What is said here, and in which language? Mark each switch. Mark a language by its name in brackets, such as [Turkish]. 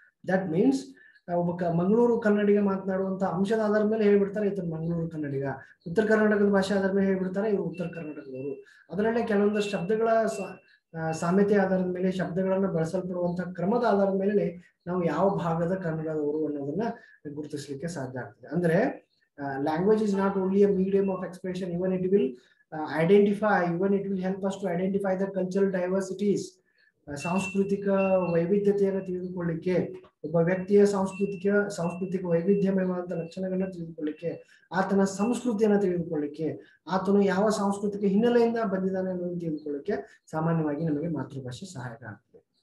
[English] that means [Kannada] ಒಬ್ಬ ಮಂಗಳೂರು ಕನ್ನಡಿಗ ಮಾತನಾಡುವಂತಹ ಅಂಶದ ಆಧಾರದ ಮೇಲೆ ಹೇಳ್ಬಿಡ್ತಾರೆ ಇತರ ಮಂಗಳೂರು ಕನ್ನಡಿಗ, ಉತ್ತರ ಕರ್ನಾಟಕದ ಭಾಷೆ ಆಧಾರದ ಮೇಲೆ ಹೇಳ್ಬಿಡ್ತಾರೆ ಇವರು ಉತ್ತರ ಕರ್ನಾಟಕದವರು. ಅದರಲ್ಲೇ ಕೆಲವೊಂದು ಶಬ್ದಗಳ ಸಾಮ್ಯತೆ ಆಧಾರದ ಮೇಲೆ, ಶಬ್ದಗಳನ್ನು ಬಳಸಲ್ಪಡುವಂತಹ ಕ್ರಮದ ಆಧಾರದ ಮೇಲೆ ನಾವು ಯಾವ ಭಾಗದ ಕನ್ನಡದವರು ಅನ್ನೋದನ್ನ ಗುರುತಿಸ್ಲಿಕ್ಕೆ ಸಾಧ್ಯ ಆಗ್ತದೆ. ಅಂದ್ರೆ [English] language is not only a medium of expression, even it will identify, even it will help us to identify the cultural diversities. [Kannada] ಸಾಂಸ್ಕೃತಿಕ ವೈವಿಧ್ಯತೆಯನ್ನು ತಿಳಿದುಕೊಳ್ಳಿಕ್ಕೆ, ಒಬ್ಬ ವ್ಯಕ್ತಿಯ ಸಾಂಸ್ಕೃತಿಕ ವೈವಿಧ್ಯಮಯವಾದ ಲಕ್ಷಣಗಳನ್ನು ತಿಳಿದುಕೊಳ್ಳಿಕ್ಕೆ, ಆತನ ಸಂಸ್ಕೃತಿಯನ್ನು ತಿಳಿದುಕೊಳ್ಳಿಕ್ಕೆ, ಆತನು ಯಾವ ಸಾಂಸ್ಕೃತಿಕ ಹಿನ್ನೆಲೆಯಿಂದ ಬಂದಿದ್ದಾನೆ ಅನ್ನೋದನ್ನು ತಿಳಿದುಕೊಳ್ಳಿಕ್ಕೆ ಸಾಮಾನ್ಯವಾಗಿ ನಮಗೆ ಮಾತೃಭಾಷೆ ಸಹಾಯಕ ಆಗ್ತದೆ.